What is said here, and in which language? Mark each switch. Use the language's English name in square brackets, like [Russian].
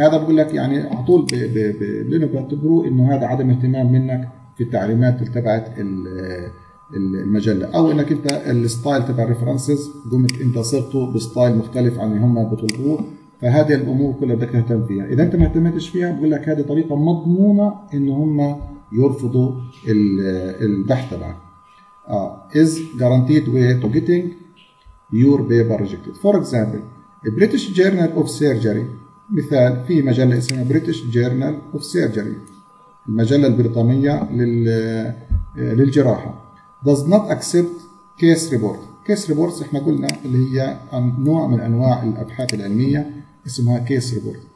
[Arabic] هذا بقول لك يعني على طول لانه بيعتبروا انه هذا عدم اهتمام منك في التعليمات اللي تبعت المجله، او انك انت الستايل تبع الريفرنسز قمت انت صيغته بستايل مختلف عن اللي هم بيطلبوه، فهذه الامور كلها بدك تهتم فيها. اذا انت ما اهتمتش فيها بقول لك هذه طريقه مضمونه انه هم يرفضوا البحث تبعك. [English] Is guaranteed way to getting your paper rejected. For example, the British Journal of Surgery. [Arabic] مثال في مجلة اسمها British Journal of Surgery. المجلة البريطانية للجراحة. [English] Does not accept case report. [Arabic] Case reports احنا قلنا اللي هي نوع من انواع الابحاث العلمية اسمها case report.